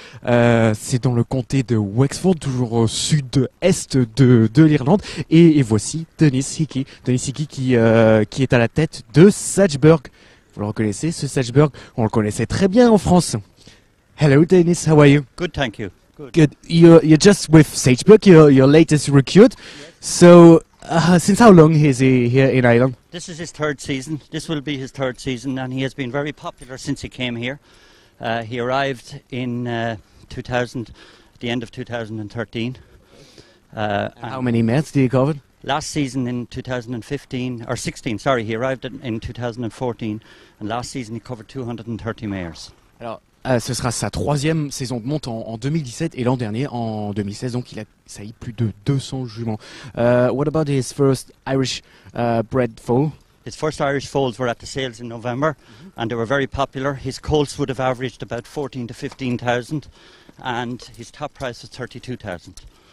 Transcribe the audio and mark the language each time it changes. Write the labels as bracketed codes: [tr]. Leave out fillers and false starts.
[fr] C'est dans le comté de Wexford, toujours au sud-est de l'Irlande. Et voici Denis Hickey. Denis Hickey qui est à la tête de Sedgburg. Vous le reconnaissez, ce Sedgburg? On le connaissait très bien en France. [en] Hello, Denis. How are you? Good, thank you. Good. Good. You're just with Sedgburg, your latest recruit. Yes. So, since how long is he here in Ireland? This is his third season. This will be his third season, and he has been very popular since he came here. He arrived in 2000, at the end of 2013. And how many mats did he cover? Last season in 2015, or 16, sorry, he arrived in 2014, and last season he covered 230 mares. [fr] Alors, ce sera sa troisième saison de monte en 2017 et l'an dernier en 2016, donc il a sailli plus de 200 juments. [en] What about his first Irish bred foal? His first Irish foals were at the sales in November, mm-hmm. and they were very popular. His colts would have averaged about 14 to 15,000, and his top price was 32,000.